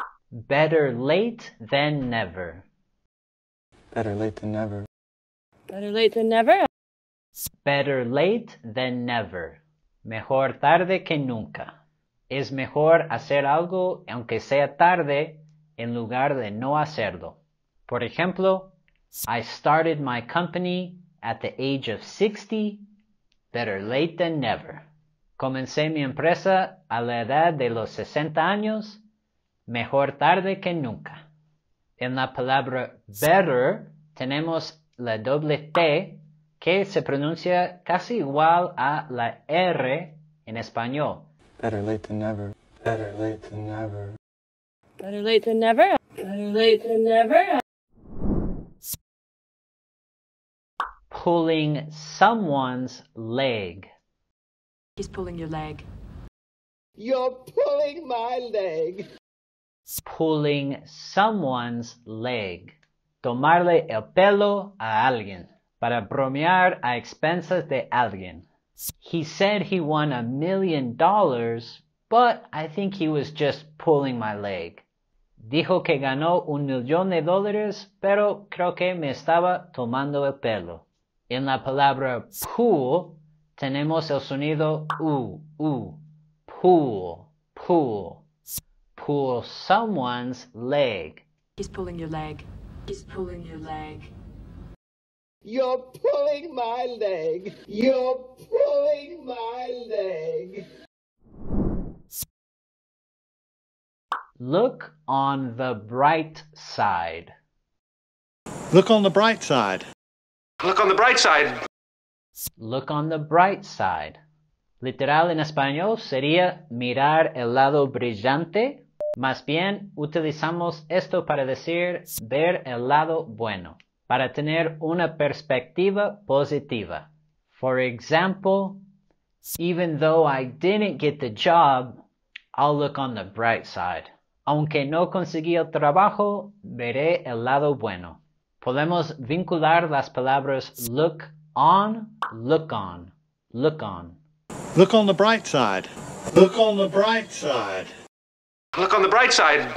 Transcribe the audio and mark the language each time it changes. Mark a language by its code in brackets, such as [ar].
[en] Better late than never. Better late than never. Better late than never. Better late than never. [es] Mejor tarde que nunca. Es mejor hacer algo aunque sea tarde en lugar de no hacerlo. Por ejemplo, [en] I started my company at the age of 60. Better late than never. [es] Comencé mi empresa a la edad de los 60 años. Mejor tarde que nunca. En la palabra better, tenemos la doble T, que se pronuncia casi igual a la R en español. [en] Better late than never. Better late than never. Better late than never. Better late than never. Pulling someone's leg. He's pulling your leg. You're pulling my leg. Pulling someone's leg. [es] Tomarle el pelo a alguien. Para bromear a expensas de alguien. [en] He said he won $1,000,000, but I think he was just pulling my leg. [es] Dijo que ganó $1,000,000, pero creo que me estaba tomando el pelo. En la palabra pool, tenemos el sonido u. [en] Pool, pool. Pull someone's leg. He's pulling your leg. He's pulling your leg. You're pulling my leg. You're pulling my leg. Look on the bright side. Look on the bright side. Look on the bright side. Look on the bright side. [es] Literal en español sería mirar el lado brillante. Más bien, utilizamos esto para decir ver el lado bueno. Para tener una perspectiva positiva. [en] For example, even though I didn't get the job, I'll look on the bright side. [es] Aunque no conseguí el trabajo, veré el lado bueno. Podemos vincular las palabras [en] look on, look on, look on. Look on the bright side. Look on the bright side. Look on the bright side.